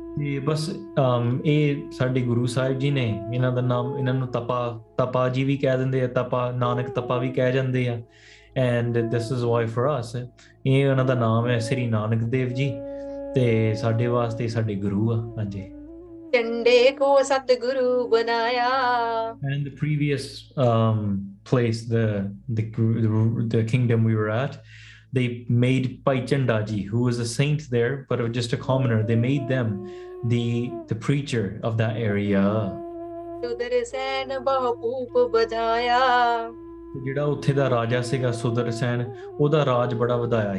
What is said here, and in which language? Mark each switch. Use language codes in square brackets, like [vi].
[pa] ਇਹ ਬਸ ਇਹ ਸਾਡੇ ਗੁਰੂ ਸਾਹਿਬ ਜੀ ਨੇ, ਇਹਨਾਂ ਦਾ ਨਾਮ ਇਹਨਾਂ ਨੂੰ ਤਪਾ ਤਪਾ ਜੀ ਵੀ ਕਹਿ ਦਿੰਦੇ ਆ, ਤਪਾ ਨਾਨਕ ਤਪਾ ਵੀ ਕਹਿ ਜਾਂਦੇ ਆ, [en] and this is Y four us [pa] ਇਹ ਉਹਨਾਂ ਦਾ ਨਾਮ ਹੈ ਸ੍ਰੀ ਨਾਨਕ ਦੇਵ ਜੀ, ਤੇ ਸਾਡੇ ਵਾਸਤੇ ਸਾਡੇ ਗੁਰੂ ਆ ਹਾਂਜੀ. ਚੰਡੇ ਕੋ ਸਤਿਗੁਰੂ ਬਣਾਇਆ, [en] And the previous place the kingdom we were at, they made Pai Chanda ji, who was a saint there but was just a commoner, they made them the preacher of that area. [pa] ਸੁਦਰ ਸੈਨ ਬਹੁ ਖੂਬ ਵਧਾਇਆ, ਜਿਹੜਾ ਉੱਥੇ ਦਾ ਰਾਜਾ ਸੀਗਾ ਸੁਦਰ ਸੈਨ, ਉਹਦਾ ਰਾਜ ਬੜਾ ਵਧਾਇਆ.